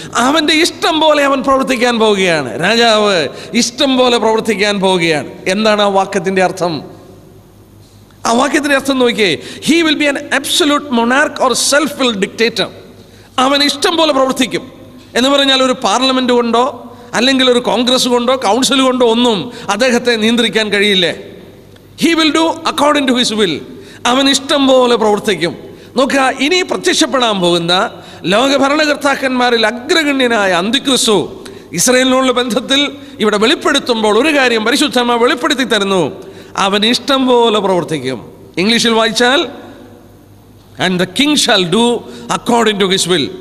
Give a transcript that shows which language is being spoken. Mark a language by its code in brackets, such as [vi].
[ml] അവന്റെ ഇഷ്ടം പോലെ അവൻ പ്രവർത്തിക്കാൻ പോവുകയാണ്. രാജാവ് ഇഷ്ടം പോലെ പ്രവർത്തിക്കാൻ പോവുകയാണ്. എന്താണ് ആ വാക്യത്തിന്റെ അർത്ഥം? ആ വാക്യത്തിന്റെ അർത്ഥം നോക്കിയേ, [en] He will be an absolute monarch or self-will dictator. [ml] അവൻ ഇഷ്ടം പോലെ പ്രവർത്തിക്കും. എന്ന് പറഞ്ഞാൽ ഒരു പാർലമെന്റ് കൊണ്ടോ അല്ലെങ്കിൽ ഒരു കോൺഗ്രസ് കൊണ്ടോ കൗൺസിൽ കൊണ്ടോ ഒന്നും അദ്ദേഹത്തെ നിയന്ത്രിക്കാൻ കഴിയില്ലേ? [en] He will do according to his will. [ml] അവൻ ഇഷ്ടം പോലെ പ്രവർത്തിക്കും. നോക്കുക, ഇനി പ്രത്യക്ഷപ്പെടാൻ പോകുന്ന ലോക ഭരണകർത്താക്കന്മാരിൽ അഗ്രഗണ്യനായ അന്തിക്രിസ്തു ഇസ്രായേലിനോടുള്ള ബന്ധത്തിൽ ഇവിടെ വെളിപ്പെടുത്തുമ്പോൾ ഒരു കാര്യം പരിശുദ്ധമായി വെളിപ്പെടുത്തി തരുന്നു, അവൻ ഇഷ്ടം പോലെ പ്രവർത്തിക്കും. ഇംഗ്ലീഷിൽ വായിച്ചാൽ, [en] And the king shall do according to his will.